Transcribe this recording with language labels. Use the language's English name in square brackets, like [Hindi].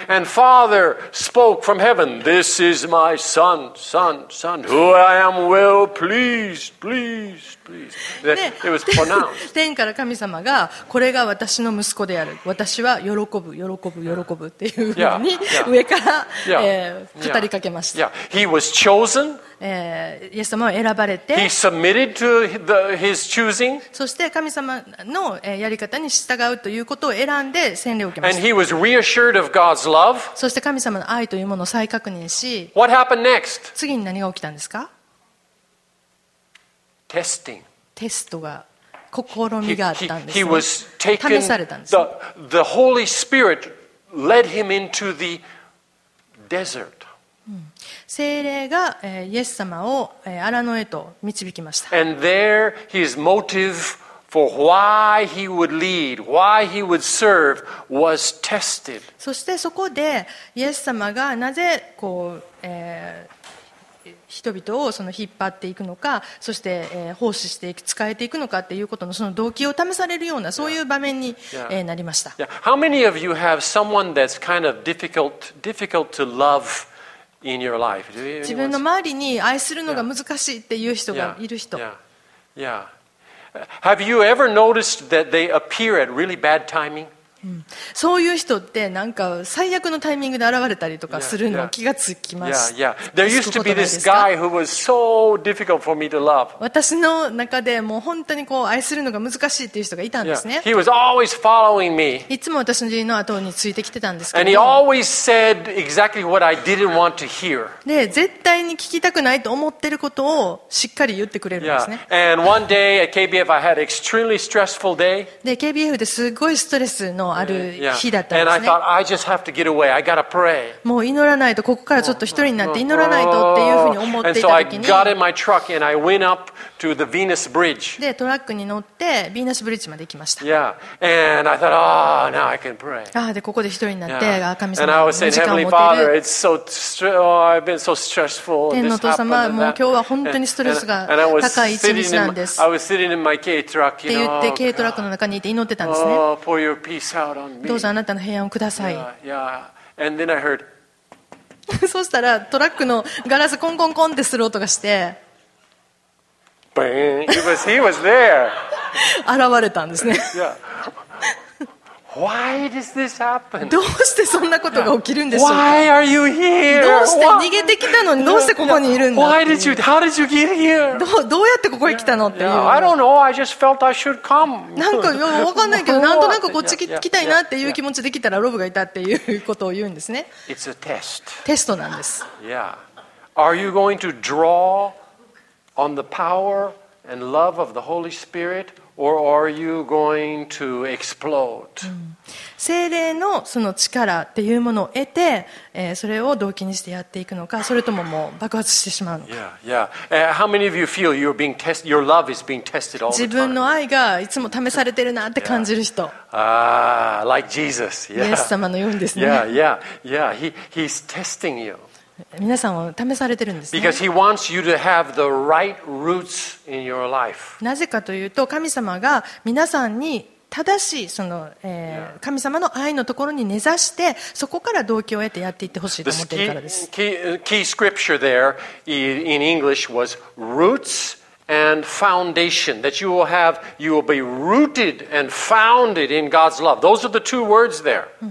[English] And Father spoke from heaven, This is my son, who I am well pleased, please. It was pronounced. [Japanese] 天から神様が、これが私の息子である。私は喜ぶ、っていうふうに、yeah. Yeah. 上から、yeah. 語りかけました。 [English] Yeah. He was chosen. [Japanese] イエス様を選ばれて、 [English] He submitted to theHis choosing. [Japanese] そして神様のやり方に従うということを選んで洗礼を受けました。 [English] And he was reassured of God's love. [Japanese] そして神様の愛というものを再確認し、 [English] What happened next? [Japanese] 次に何が起きたんですか？ [English] Testing. [Japanese] テストが、試みがあったんですね。 [English] He was taken, [Japanese] 試されたんですね。 [English] The Holy Spirit led him into the desert. [Japanese] 聖霊がイエス様を荒野へと導きました。 [English] And there his motive for why he would lead, why he would serve was tested. [Japanese] そしてそこでイエス様がなぜこう、人々をその引っ張っていくのか、そして、奉仕していく、使えていくのかっていうことのその動機を試されるようなそういう場面に、yeah. Yeah. なりました。 Yeah. [English] How many of you have someone that's kind of difficult to love? In your life. [Japanese] 自分の周りに愛するのが難しいっていう人がいる人。 Yeah. Yeah. Yeah. [English] Have you ever noticed that they appear at really bad timing? [Japanese] そういう人ってなんか最悪のタイミングで現れたりとかするの気がつきます。 Yeah. Yeah. [English] There used to be this guy who was so difficult for me to love. [Japanese] 私の中でもう本当にこう愛するのが難しいっていう人がいたんですね。 [English] Yeah. He was always following me. [Japanese] いつも私の人の後についてきてたんですけど。 [English] And he always said exactly what I didn't want to hear. [Japanese] で、絶対に聞きたくないと思ってることをしっかり言ってくれるんですね。 Yeah. [English] And one day at KBF I had an extremely stressful day. [Japanese] で、KBF ですごいストレスのある日だったんですね。 [English] And I thought, I just have to get away. I gotta pray. [Japanese] もう祈らないと、ここからちょっと一人になって祈らないとっていうふうに思っていた時に、 [English] And so I got in my truck and I went up to the Venus Bridge. [Japanese] で、トラックに乗ってヴィーナスブリッジまで行きました。 Yeah. [English] And I thought, oh, now I can pray. [Japanese] ああ、で、ここで一人になって、 yeah. 神様の時間を持てる。 [English] And I was saying, Heavenly Father, it's so stressful. Oh, I've been so stressful. [Japanese] 天の父様、もう今日は本当にストレスが高い一日なんです。 [English] I was sitting in my K truck, you know. [Japanese] って言って軽トラックの中にいて祈ってたんですね。 [English] Oh, for your peace. [Japanese] どうぞあなたの平安をください。 [English] Yeah, yeah. And then I heard... [Japanese] そうしたらトラックのガラスコンコンコンってする音がして、 [English] He was there. [Japanese] 現れたんですね。 [English] Yeah. Why does this happen? [Japanese] どうしてそんなことが起きるんでしょう。 [English] Why are you here? [Japanese] どうして逃げてきたのに、どうしてここにいるんだ。 [English] Why did you? How did you get here? [Japanese] どうやってここへ来たのっていう。 [English] I don't know. I just felt I should come. [Japanese] なんかよくわかんないけど、なんとなくこっち来たいなっていう気持ちできたらロブがいたっていうことを言うんですね。 [English] It's a test. [Japanese] テストなんです。 Yeah. [English] Are you going to draw on the power and love of the Holy Spirit? Or are you going to explode? [Japanese] 聖霊のその力っていうものを得て、それを動機にしてやっていくのか、それとももう爆発してしまうのか。 Yeah, yeah. [English] How many of you feel you're being tested? Your love is being tested all the time. [Japanese] 自分の愛がいつも試されてるなって感じる人。 [English] Ah, like Jesus. [Japanese] Yeah. イエス様のようにですね。 [English] Yeah, yeah, yeah. He's testing you. [Japanese] 皆さんを試されてるんですね。 [English] Because he wants you to have the right roots in your life. [Japanese] なぜかというと、神様が皆さんに正しいその、yeah. 神様の愛のところに根ざして、そこから動機を得てやっていってほしいと思っているからです。 [English] key scripture there in English was roots and foundation. That you will be rooted and founded in God's love. Those are the two words there.